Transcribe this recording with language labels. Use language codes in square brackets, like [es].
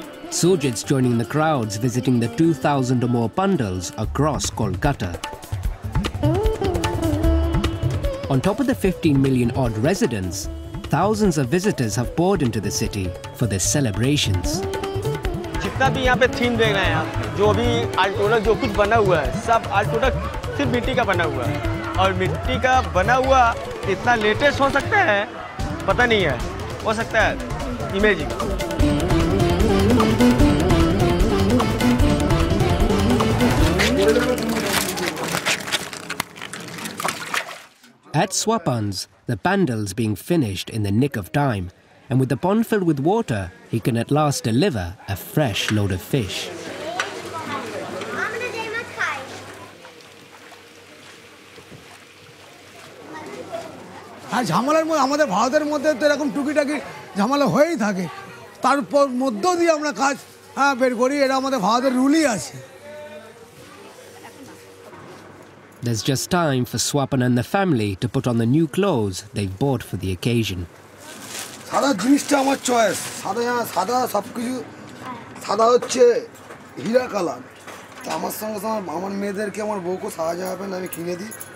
[en] Sujit's joining the crowds visiting the 2,000 or more pandals across Kolkata. On top of the 15 million odd residents. Thousands of visitors have poured into the city for the celebrations. [hi] जितना भी यहाँ पे theme देख रहे हैं जो अभी art product जो कुछ बना हुआ है सब आर्ट प्रोडक्ट सिर्फ मिट्टी का बना हुआ है और मिट्टी का बना हुआ इतना लेटेस्ट हो सकता है पता नहीं है हो सकता है imaging [en] At Swapan's, the pandal's being finished in the nick of time, and with the pond filled with water, he can at last deliver a fresh load of fish. [bn] আর ঝামেলার মধ্যে আমাদের ভারতের মধ্যে তো এরকম টুকিটাকি ঝামেলা হয়েই থাকে, তারপর মধ্য দিয়ে আমরা কাজ হ্যাঁ বের করি, এটা আমাদের ভারতের রুলই আছে। [en] There's just time for Swapan and the family to put on the new clothes they've bought for the occasion. [bn] সাদা জিনিসটা আমার চয়েস, সাদা হ্যাঁ সাদা সব কিছু সাদা হচ্ছে হীরা কালার, তো আমার সঙ্গে আমার মামার মেয়েদেরকে আমার বউকে সাজা যাবে না আমি কিনে দিই।